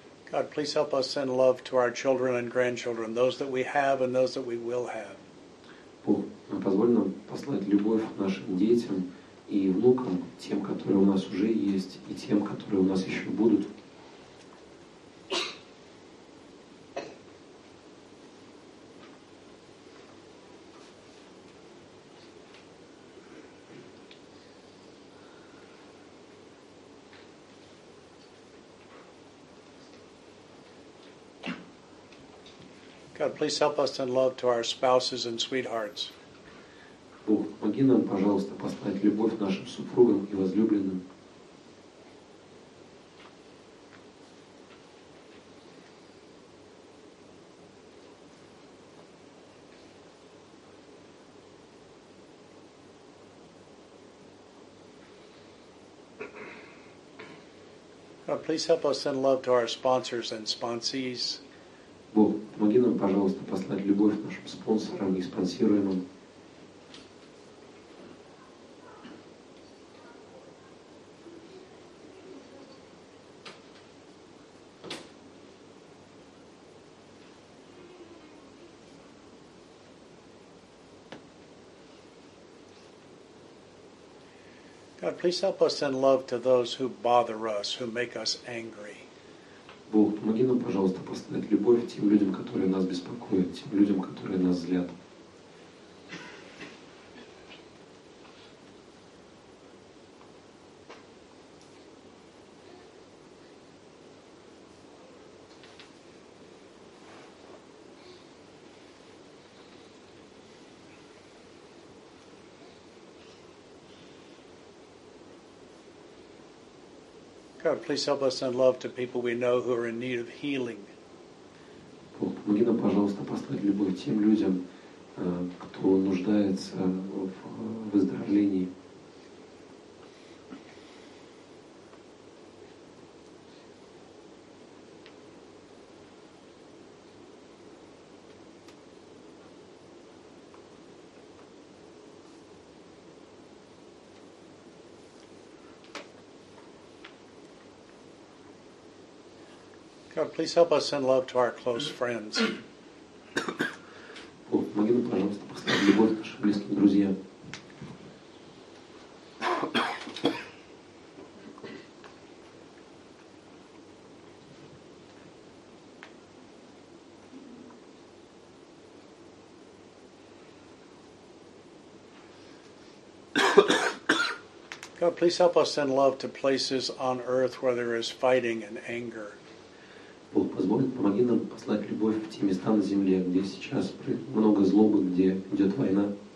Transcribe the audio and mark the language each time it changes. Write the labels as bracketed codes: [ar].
[en] God, please help us send love to our children and grandchildren, those that we have and those that we will have. [ru] Бог, позволь нам послать любовь нашим детям и внукам, тем, которые у нас уже есть, и тем, которые у нас еще будут. [en] God, please help us send love to our spouses and sweethearts. [ru] Бог, помоги нам, пожалуйста, послать любовь нашим супругам и возлюбленным. [en] God, please help us send love to our sponsors and sponsees. [ru] Бог, помоги нам, пожалуйста, послать любовь нашим спонсорам и спонсируемым. [en] God, please help us send love to those who bother us, who make us angry. [ru] Бог, помоги нам, пожалуйста, послать любовь тем людям, которые нас беспокоят, тем людям, которые нас злят. [en] God, please help us send love to people we know who are in need of healing. [ru] Бог, помоги нам, пожалуйста, послать любовь тем людям, кто нуждается в выздоровлении. [en] God, please help us send love to our close friends. [ru] Бог, помоги нам, пожалуйста, послать любовь нашим близким друзьям. [en] God, please help us send love to places on earth where there is fighting and anger. [ru] Бог, позволь, помоги нам послать любовь в те места на земле, где сейчас много злобы, где идет война.